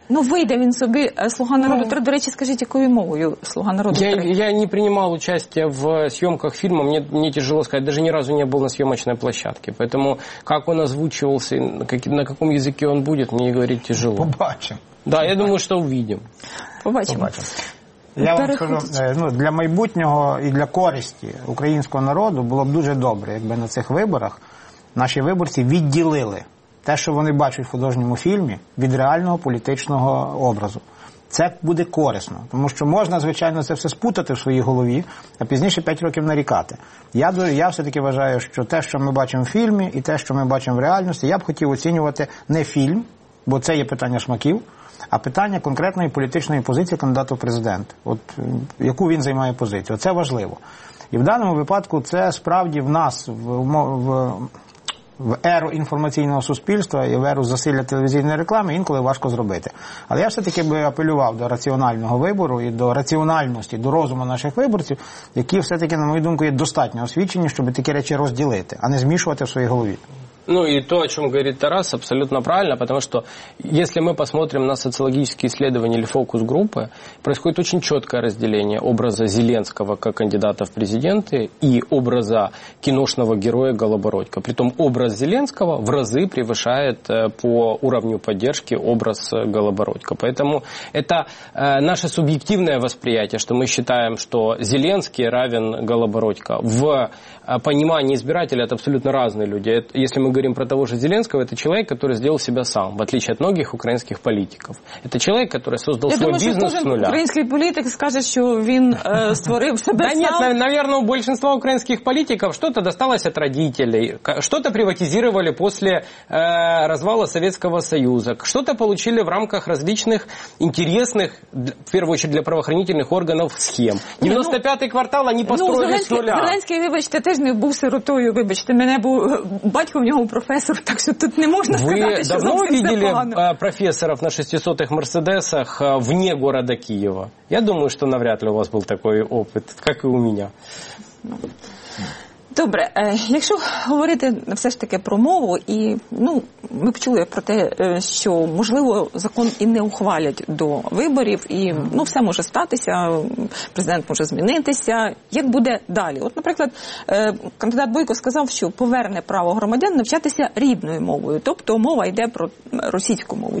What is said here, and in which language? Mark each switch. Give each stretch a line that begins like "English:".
Russian: Ну, выйдет он себе «Слуга народа 3».
Ukrainian: До речи,
Russian: скажите, какой мовою «Слуга народа 3»? Я не принимал участие в съемках фильма, мне тяжело сказать, даже ни разу не был на съемочной площадке. Поэтому как он озвучивался, на каком языке он будет, мне говорить тяжело.
Ukrainian: Побачим.
Russian: Да, я думаю, что увидим.
Ukrainian: Побачим. Побачим. Я вам скажу, ну, для майбутнього і для користі українського народу було б дуже добре, якби на цих виборах наші виборці відділили те, що вони бачать в художньому фільмі, від реального політичного образу. Це буде корисно, тому що можна, звичайно, це все спутати в своїй голові, а пізніше 5 років нарікати. Я все-таки вважаю, що те, що ми бачимо в фільмі, і те, що ми бачимо в реальності, я б хотів оцінювати не фільм, бо це є питання смаків, а питання конкретної політичної позиції кандидата в президент. От яку він займає позицію. Це важливо. І в даному випадку це справді в нас, в в еру інформаційного суспільства і в еру засилля телевізійної реклами інколи важко зробити. Але я все-таки би апелював до раціонального вибору і до раціональності, до розуму наших виборців, які все-таки, на мою думку, є достатньо освічені, щоб такі речі розділити, а не змішувати в своїй голові.
Russian: Ну и то, о чем говорит Тарас, абсолютно правильно, потому что если мы посмотрим на социологические исследования или фокус-группы, происходит очень четкое разделение образа Зеленского как кандидата в президенты и образа киношного героя Голобородько. Притом образ Зеленского в разы превышает по уровню поддержки образ Голобородько. Поэтому это наше субъективное восприятие, что мы считаем, что Зеленский равен Голобородько. В понимании избирателя это абсолютно разные люди. Если мы говорим про того же Зеленского, это человек, который сделал себя сам, в отличие от многих украинских политиков. Это человек, который создал свой бизнес с нуля. Украинский политик скажет, что он створил себя сам. Да нет, наверное, у большинства украинских политиков что-то досталось от родителей, что-то приватизировали после развала Советского Союза, что-то получили в рамках различных интересных, в первую очередь для правоохранительных органов, схем. 95-й квартал они построили с нуля.
Ukrainian: Зеленский, вибачте, теж не був сиротою, вибачте, мене був батько
Russian: у него профессор, так что тут не можно вы сказать, что совсем
Ukrainian: все погано.
Russian: Вы давно видели профессоров на 600-х мерседесах вне города Киева? Я думаю, что навряд ли у вас был такой опыт, как и у меня.
Ukrainian: Добре, якщо говорити все ж таки про мову, і ну ми почули про те, що можливо закон і не ухвалять до виборів, і ну все може статися, президент може змінитися. Як буде далі? От, наприклад, кандидат Бойко сказав, що поверне право громадян навчатися рідною мовою, тобто мова йде про російську мову.